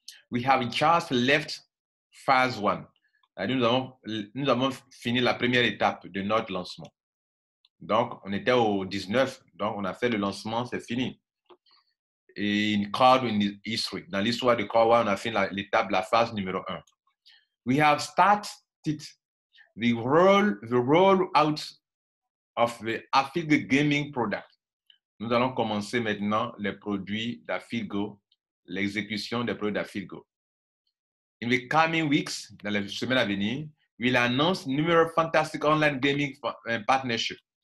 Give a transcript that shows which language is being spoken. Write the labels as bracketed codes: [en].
[en] We have just left phase one. [fr] Nous avons fini la première étape de notre lancement. Donc, on était au 19, donc on a fait le lancement, c'est fini. [en] In Cloud in history. [fr] Dans l'histoire de Cloud One, on a fini l'étape, la phase numéro 1. [en] We have started the roll out of the Afilgo gaming product. [fr] Nous allons commencer maintenant les produits d'Afilgo, l'exécution des produits d'Afilgo. [en] In the coming weeks, [fr] dans les semaines à venir, [en] we'll announce numerous fantastic online gaming partnerships.